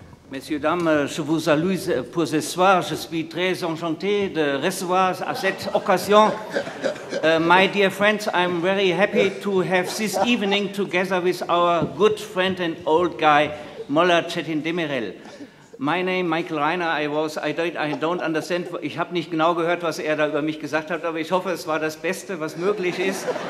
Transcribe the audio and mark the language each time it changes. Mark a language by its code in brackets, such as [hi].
[fr] Messieurs, dames, je vous salue pour ce soir. Je suis très enchanté de recevoir à cette occasion. [en] My dear friends, I'm very happy to have this evening together with our good friend and old guy, Molla Cetin Demirel. My name, Michael Reiner, I don't understand. [de] Ich habe nicht genau gehört, was er da über mich gesagt hat, aber ich hoffe, es war das Beste, was möglich ist.